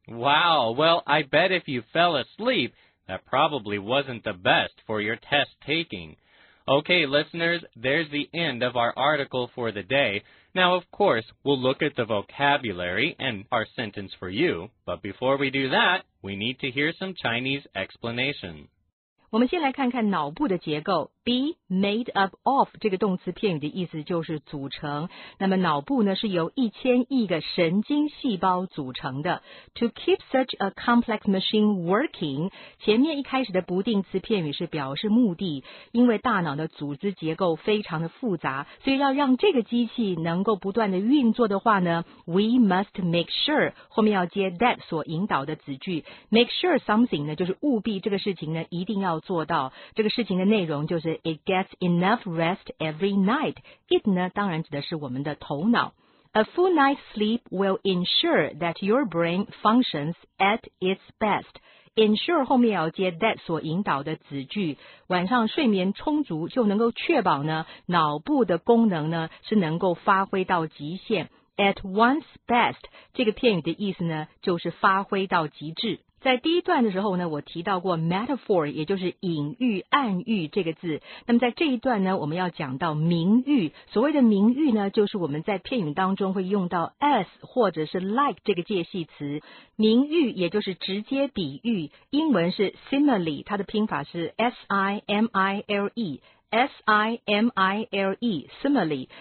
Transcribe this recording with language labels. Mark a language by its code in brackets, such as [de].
[en] Wow, well, I bet if you fell asleep, that probably wasn't the best for your test taking. Okay, listeners, there's the end of our article for the day. Now, of course, we'll look at the vocabulary and our sentence for you, but before we do that, we need to hear some Chinese explanation. [zh] 我们先来看看脑部的结构 , [en] be made up of [zh] 这个动词片语的意思就是组成。那么脑部呢是由1000亿个神经细胞组成的。 [en] To keep such a complex machine working, [zh] 前面一开始的不定词片语是表示目的，因为大脑的组织结构非常的复杂，所以要让这个机器能够不断的运作的话呢 , [en] we must make sure, [zh] 后面要接 that 所引导的子句 , [en] make sure something [zh] 呢就是务必这个事情呢一定要做到这个事情的内容就是 [en] it gets enough rest every night. [zh] It 呢当然指的是我们的头脑。 [en] A full night's sleep will ensure that your brain functions at its best. [zh] Ensure 后面要接 that 所引导的子句。晚上睡眠充足就能够确保呢脑部的功能呢是能够发挥到极限。 [en] At one's best, [zh] 这个片语的意思呢就是发挥到极致。在第一段的时候呢我提到过 metaphor 也就是隐喻暗喻这个字那么在这一段呢我们要讲到名喻所谓的名喻呢就是我们在片语当中会用到 as 或者是 like 这个介系词名喻也就是直接比喻英文是 simile 它的拼法是 S-I-M-I-L-E S-I-M-I-L-E, simile.